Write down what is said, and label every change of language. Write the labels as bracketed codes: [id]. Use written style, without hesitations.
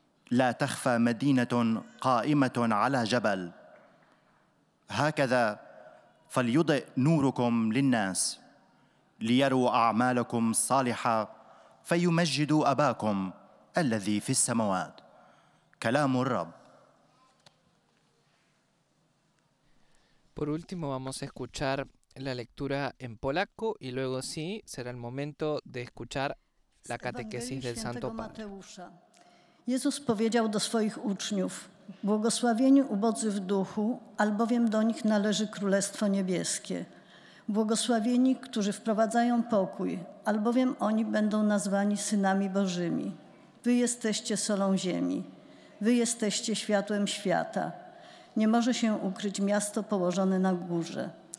[ar] لا تخفى مدينة قائمة على جبل. هكذا فليضئ نوركم للناس، ليروا أعمالكم الصالحة، فيمجدوا أباكم الذي في السماوات. كلام الرب. [es] Por último vamos a escuchar la lectura en polaco y luego sí será el momento de escuchar la catequesis del Santo Padre. [pl] Jezus powiedział do swoich uczniów: Błogosławieni ubodzy w duchu, albowiem do nich należy Królestwo Niebieskie. Błogosławieni, którzy wprowadzają pokój, albowiem oni będą nazwani synami Bożymi. Wy jesteście solą ziemi. Wy jesteście światłem świata. Nie może się ukryć miasto położone na górze.